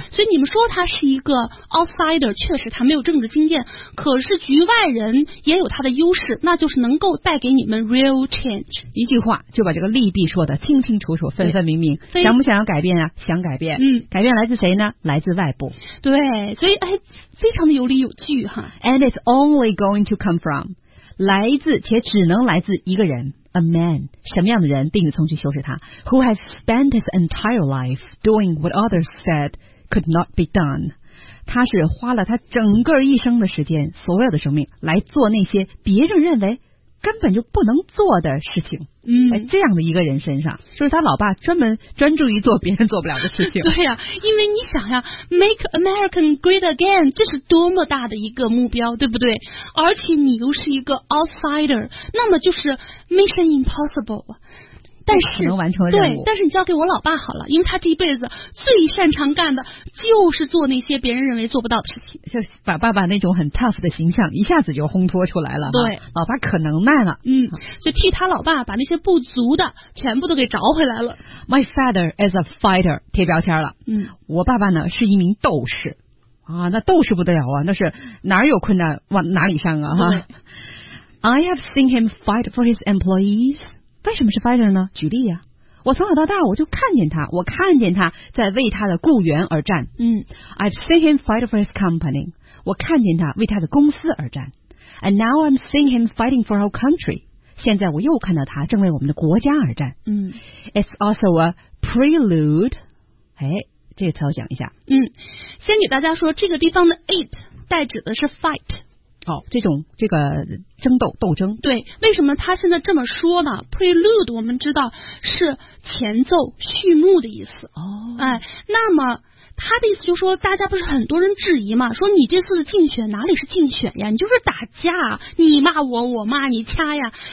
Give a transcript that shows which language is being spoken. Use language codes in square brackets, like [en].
[zh] 所以你们说他是一个 outsider， 确实他没有政治经验，可是局外人也有他的优势，那就是能够带给你们 [en] real change。 [zh] 一句话就把这个利弊说得清清楚楚，分分明明。想不想要改变啊？想改变。嗯，改变来自谁呢？来自外部。对，所以哎，非常的有理有据哈。 [en] And it's only going to come from， [zh] 来自且只能来自一个人， [en] a man。 [zh] 什么样的人？定语从句修饰它。 [en] Who has spent his entire life doing what others said could not be done？ [zh] 他是花了他整个一生的时间，所有的生命来做那些别人认为根本就不能做的事情。嗯，这样的一个人身上，就是他老爸专门专注于做别人做不了的事情。对呀、啊，因为你想呀 ， [en] Make America Great Again， [zh] 这是多么大的一个目标，对不对？而且你又是一个 outsider， 那么就是 [en] Mission Impossible。 [zh] 但是能完成的任务，对，但是你交给我老爸好了，因为他这一辈子最擅长干的就是做那些别人认为做不到的事情，就把爸爸那种很 tough 的形象一下子就烘托出来了。对，老爸可能耐了，嗯，就替他老爸把那些不足的全部都给找回来了。 [en] My father is a fighter， [zh] 贴标签了。嗯，我爸爸呢是一名斗士啊，那斗士不得了啊，那是哪有困难往哪里上啊哈。 [en] I have seen him fight for his employees。 [zh] 为什么是 fighter 呢？举例啊，我从小到大我就看见他，我看见他在为他的雇员而战。嗯 [en] ，I've seen him fight for his company， [zh] 我看见他为他的公司而战。 [en] And now I'm seeing him fighting for our country， [zh] 现在我又看到他正为我们的国家而战。嗯， [en] It's also a prelude， [zh] 哎，这个调讲一下。嗯，先给大家说这个地方的 it 代指的是 fight。哦，这种这个争斗斗争，对，为什么他现在这么说呢 ？Prelude 我们知道是前奏、序幕的意思。哦，哎，那么他的意思就是说，大家不是很多人质疑嘛，说你这次竞选哪里是竞选呀？你就是打架，你骂我，我骂你，掐呀。